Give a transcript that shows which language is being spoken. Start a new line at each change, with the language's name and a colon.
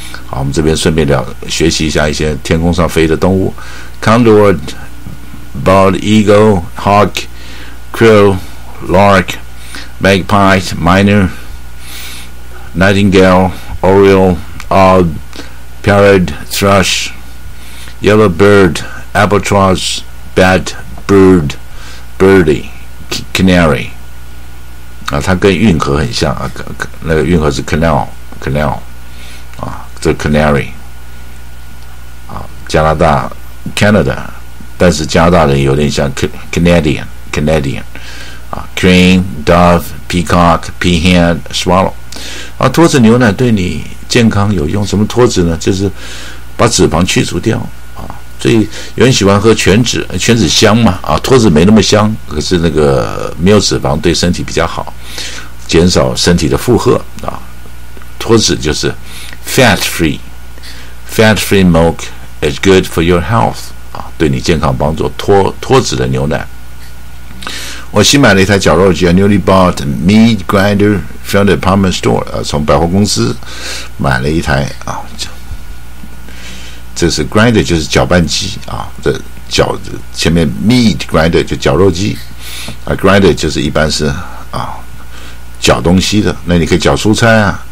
Chinese: 好，我们这边顺便聊学习一下一些天空上飞的动物 ：
English: condor、bald eagle、hawk、crow、lark、magpie、minor、nightingale、oriole、owl、parrot、thrush。 Yellow bird, albatross, bat, bird, birdie, canary 啊，
Chinese: 它跟运河很像啊，那个运河是
English: canal
Chinese: Canal 啊，这 Canary 啊，加拿大 Canada， 但是加拿大人有点像 Canadian 啊 ，
English: Crane Dove Peacock Peahen Swallow
Chinese: 啊，脱脂牛奶对你健康有用？什么脱脂呢？就是把脂肪去除掉啊。所以有人喜欢喝全脂，全脂香嘛啊，脱脂没那么香，可是那个没有脂肪对身体比较好，减少身体的负荷啊。脱脂就是
English: fat free milk is good for your health 啊，
Chinese: 对你健康帮助。脱脂的牛奶，我新买了一台绞肉机 ，
English: I newly bought meat grinder from the department store
Chinese: 啊，从百货公司买了一台啊。这是 grinder 就是搅拌机啊，这搅前面 meat grinder 就绞肉机啊 ，grinder 就是一般是啊搅东西的，那你可以搅蔬菜啊。